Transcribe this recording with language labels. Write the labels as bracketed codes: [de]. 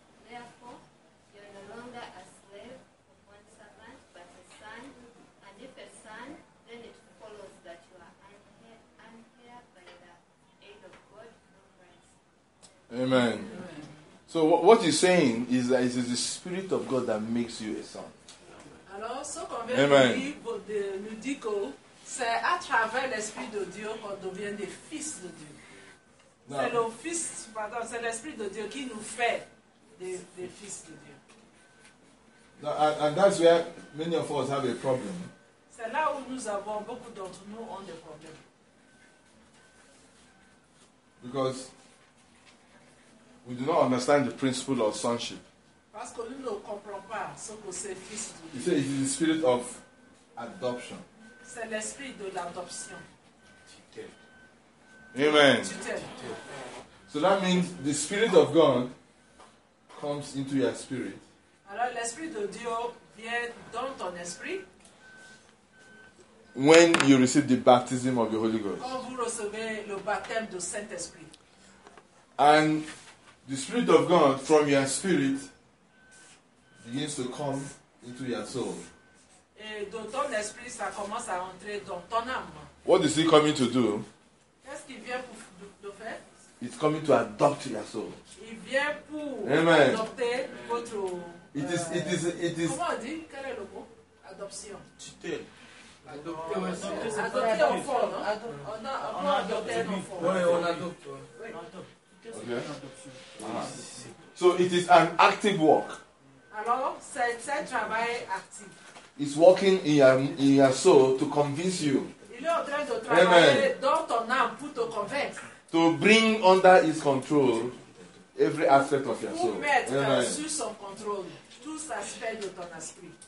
[en] Therefore, you are no longer a slave of one servant, but a son. And if a son, then it follows that you are unheir by the aid of God through Christ. Amen. So what he's saying is that it is the Spirit of God that makes you a son. [fr] Alors, ce qu'on vient de dire, nous dit que c'est à travers l'Esprit de Dieu qu'on devient des fils de Dieu. Now, c'est le fils, pardon, c'est l'Esprit de Dieu qui nous fait des fils de Dieu. [en] Now, and that's where many of us have a problem. [fr] C'est là où nous avons, beaucoup d'entre nous ont des problèmes. [en] Because we do not understand the principle of sonship. [fr] Parce que nous ne comprenons pas ce que c'est fils de Dieu. [en] He said it is the spirit of adoption. [fr] C'est l'esprit de l'adoption. [en] Amen. [fr] Tutelle. [en] So that means the Spirit of God comes into your spirit. [fr] Alors l'esprit de Dieu vient dans ton esprit. [en] When you receive the baptism of the Holy Ghost. [fr] Quand vous recevez le baptême du Saint-Esprit. [en] And the Spirit of God from your spirit begins to come into your soul. [fr] Et de ton esprit, ça commence à entrer dans ton âme. [en] What is he coming to do? [fr] Qu'est-ce qu'il vient pour de faire? [en] It's coming to adopt your soul. [fr] Il vient pour [en] Amen. [fr] Adopter votre. [en] It is. [fr] Comment on dit? Quel est le mot? Adoption. Tutelle. Adopter un enfant, non? On adopte un enfant. Oui, on adopte. [en] Okay. So it is an active work. [fr] Alors, c'est un travail actif. [en] It's working in your soul to convince you. [fr] Il est en train de travailler Amen. Dans ton âme pour te convaincre. [en] To bring under his control every aspect of your soul. [fr] Pour mettre Amen. Sous son contrôle tous aspects de ton esprit.